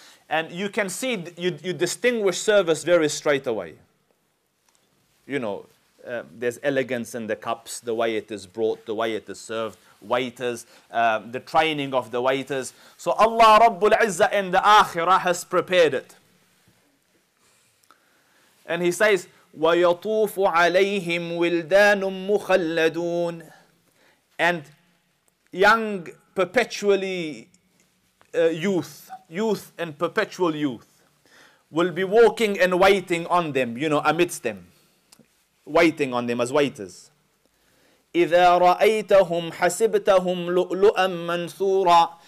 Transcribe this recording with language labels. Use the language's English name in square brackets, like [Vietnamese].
[English] And you can see, you distinguish service very straight away. You know, there's elegance in the cups, the way it is brought, the way it is served, waiters, the training of the waiters. So Allah Rabbul Izzah in the Akhirah has prepared it. And he says, [Arabic] وَيَطُوفُ عَلَيْهِمْ وِلْدَانٌ مُخَلَّدُونَ. [English] And young, perpetually youth and perpetual youth will be walking and waiting on them, you know, amidst them. Waiting on them as waiters. [Arabic] إِذَا رَأَيْتَهُمْ حَسِبْتَهُمْ لُؤْلُؤًا مَنْثُورًا.